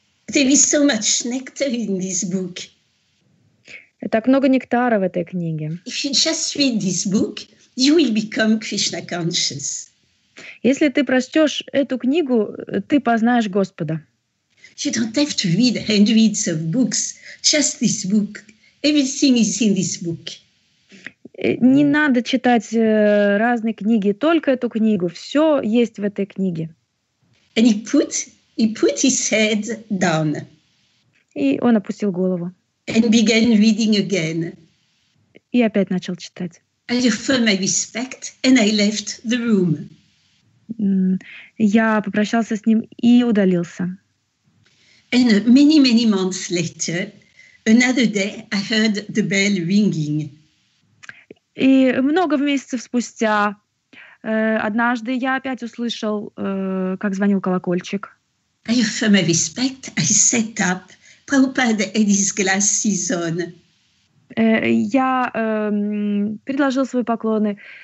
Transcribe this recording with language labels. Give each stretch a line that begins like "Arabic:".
English: There is so much nectar in this book.
Russian: Так много нектара в этой книге.
English: If you just read this book, you will become Krishna conscious.
Russian: Если ты прочтешь эту книгу, ты познаешь Господа.
English: You don't have to read hundreds of books, just this book. Everything is in this book.
Russian: Не надо читать разные книги, только эту книгу. Все есть в этой книге.
English: And he put his head down.
Russian: И он опустил голову.
English: And began reading again.
Russian: И опять начал читать.
English: I offered my respect and I left the room.
Russian: Я попрощался с ним и удалился.
English: And many, many months later, another day, I heard the bell ringing.
Russian: И много месяцев спустя, однажды я опять услышал, как звонил колокольчик.
English: I offer my respect, I sat up, Prabhupada had his glasses on.
Russian: Я предложил свои поклоны.